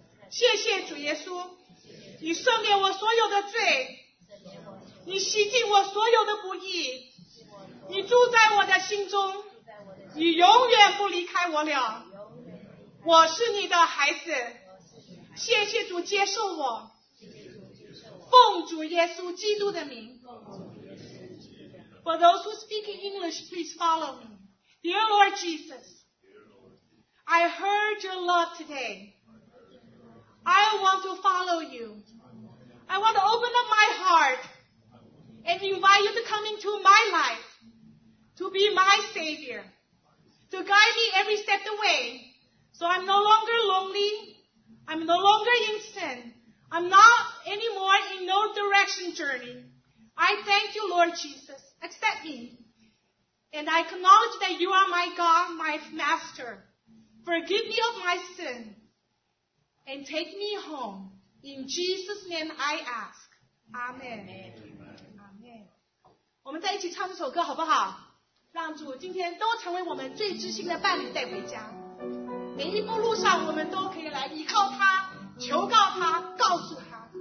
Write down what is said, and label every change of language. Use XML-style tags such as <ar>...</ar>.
<zh>谢谢主耶稣，你赦免我所有的罪，你洗净我所有的不义，你住在我的心中，你永远不离开我了，我是你的孩子。谢谢主接受我，奉主耶稣基督的名。</zh> <en>For those who speak English, please follow me. Dear Lord JesusI heard your love today. I want to follow you. I want to open up my heart and invite you to come into my life, to be my Savior, to guide me every step of the way, so I'm no longer lonely, I'm no longer in sin, I'm not anymore in no direction journey. I thank you, Lord Jesus. Accept me. And I acknowledge that you are my God, my Master. Forgive me of my sin and take me home. In Jesus' name I ask. Amen. Amen.</en> <zh>我们再一起唱这首歌好不好？让主今天都成为我们最知心的伴侣带回家。每一步路上我们都可以来依靠他，求告他，告诉他。</zh>